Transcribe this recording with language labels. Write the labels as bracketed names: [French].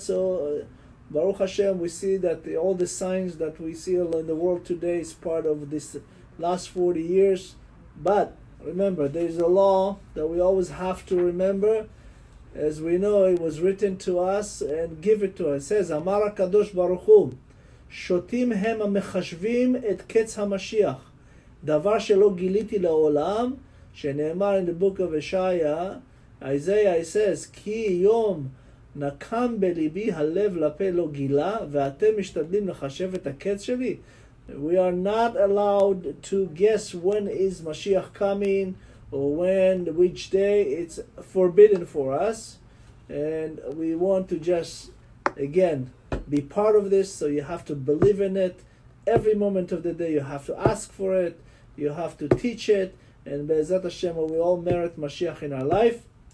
[English] So Baruch Hashem, we see that all the signs that we see in the world today is part of this last 40 years. But remember, there is a law that we always have to remember. As we know, it was written to us and give it to us. It says, [Hebrew] Amar HaKadosh Baruch Hu, שותים הם המחשבים את קץ המשיח, דבר שלא גיליתי לעולם, שנאמר [English] in the book of Isaiah, Isaiah says, [Hebrew] כי יום נקם בליבי הלב לפה לא גילה, ואתם משתדלים לחשב את הקץ שלי. [English] We are not allowed to guess when is Mashiach coming, or when, which day, it's forbidden for us. And we want to just, again, be part of this, so you have to believe in it. Every moment of the day you have to ask for it, you have to teach it, and Be'ezat Hashem, we all merit Mashiach in our life.